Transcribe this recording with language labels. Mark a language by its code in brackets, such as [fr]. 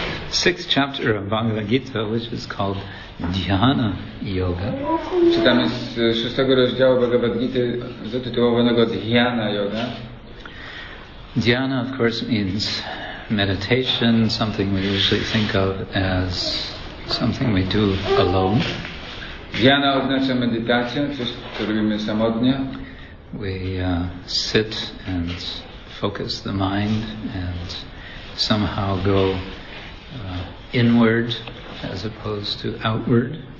[en] sixth chapter of Bhagavad Gita, which is called Dhyana Yoga. [pl] Czytamy z szóstego rozdziału Bhagavad Gita zatytułowanego Dhyana Yoga. [en] Dhyana, of course, means meditation, something we usually think of as something we do alone. [pl] Dhyana oznacza medytację, coś, co robimy samotnie. [en] We sit and focus the mind and somehow go inward as opposed to outward.